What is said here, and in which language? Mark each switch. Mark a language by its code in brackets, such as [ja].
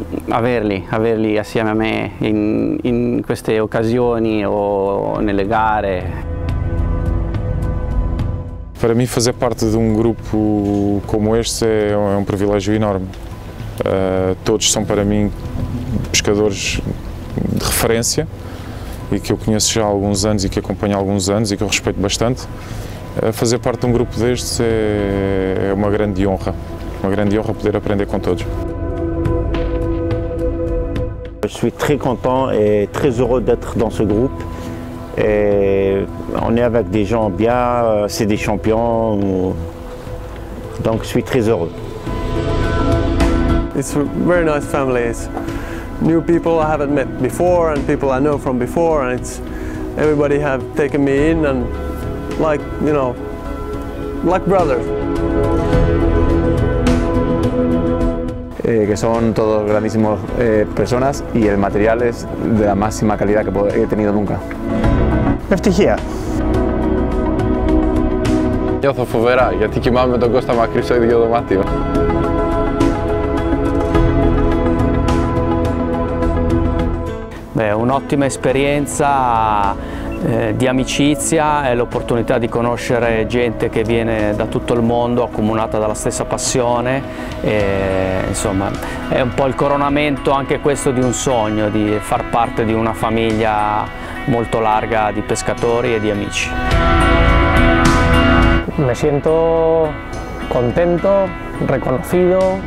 [it] averli assieme a me in queste occasioni o nelle gare. [pt] Para mim, fazer parte de um grupo como este é um privilégio enorme. Todos são para mim pescadores de referência e que eu conheço já há alguns anos e que acompanho há alguns anos e que eu respeito bastante. Fazer parte de um grupo destes é uma grande honra poder aprender com todos. Eu sou muito contente e muito feliz de estar nesse grupo. [fr] Et on est avec des gens bien, c'est des champions, donc je suis très heureux. [en] It's a very nice family. It's new people I haven't met before and people I know from before, and it's everybody have taken me in and like, you know, like brothers. [es] Que son todos grandísimos personas y el material es de la máxima calidad que he tenido nunca. [el] Ευτυχία. Νιώθω φοβερά, γιατί κοιμάμαι με τον Κώστα μακρύ στο ίδιο δωμάτιο. [it] Beh, un'ottima esperienza di amicizia e l'opportunità di conoscere gente che viene da tutto il mondo, accomunata dalla stessa passione. E, insomma, è un po' il coronamento anche questo di un sogno, di far parte di una famiglia molto larga di pescatori e di amici. [es] Me siento contento, reconocido.